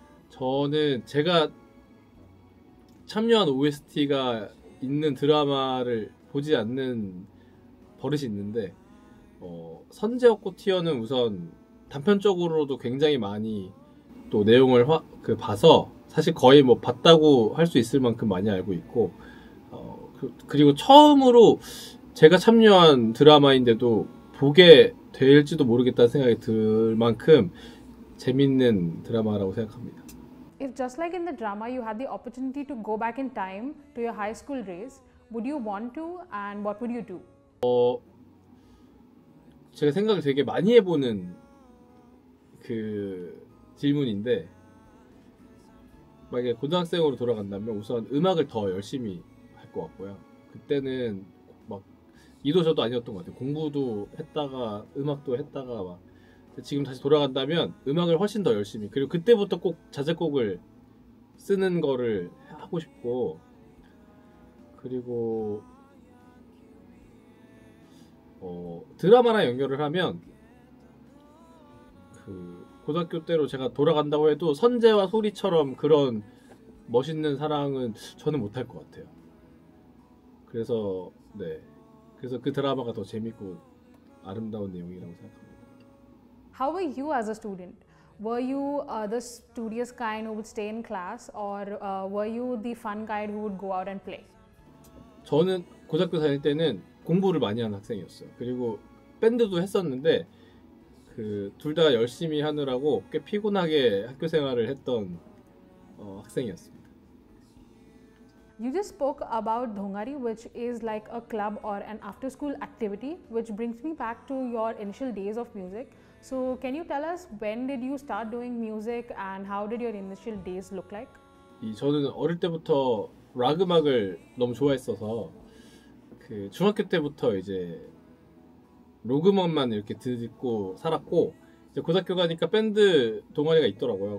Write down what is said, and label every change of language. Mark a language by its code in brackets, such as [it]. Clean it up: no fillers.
[ko] 저는 제가 참여한 OST가 있는 드라마를 보지 않는 버릇이 있는데, 선제어 꽃이어는 우선 단편적으로도 굉장히 많이 또 내용을 그 봐서 사실 거의 뭐 봤다고 할수 있을 만큼 많이 알고 있고, 그리고 처음으로 제가 참여한 드라마인데도 보게 될지도 모르겠다는 생각이 들 만큼 재밌는 드라마라고 생각합니다. [en] If just like in the drama, you had the opportunity to go back in time to your high school days, would you want to and what would you do? [ko] 제가 생각을 되게 많이 해보는 그 질문인데, 만약에 고등학생으로 돌아간다면 우선 음악을 더 열심히 할것 같고요. 그때는 막 이도 저도 아니었던 것 같아요. 공부도 했다가 음악도 했다가 막. 지금 다시 돌아간다면 음악을 훨씬 더 열심히. 그리고 그때부터 꼭 자작곡을 쓰는 거를 하고 싶고, 그리고 드라마랑 연결을 하면 그 고등학교 때로 제가 돌아간다고 해도 선재와 소리처럼 그런 멋있는 사랑은 저는 못할 것 같아요. 그래서 네, 그래서 그 드라마가 더 재밌고 아름다운 내용이라고 생각합니다. [en] How were you as a student? Were you the studious kind who would stay in class, or were you the fun guy who would go out and play? [ko] 저는 고등학교 다닐 때는 공부를 많이 한 학생이었어요. 그리고 밴드도 했었는데, 그둘다 열심히 하느라고 꽤 피곤하게 학교 생활을 했던 학생이었습니다. [en] You just spoke about Dhongari, which is like a club or an after-school activity, which brings me back to your initial days of music. So, can you tell us when did you start doing music and how did your initial days look like? [ko] 저는 어릴 때부터 락 음악을 너무 좋아했어서 그 중학교 때부터 이제 록 음악만 이렇게 듣고 살았고, 이제 고등학교 가니까 밴드 동아리가 있더라고요.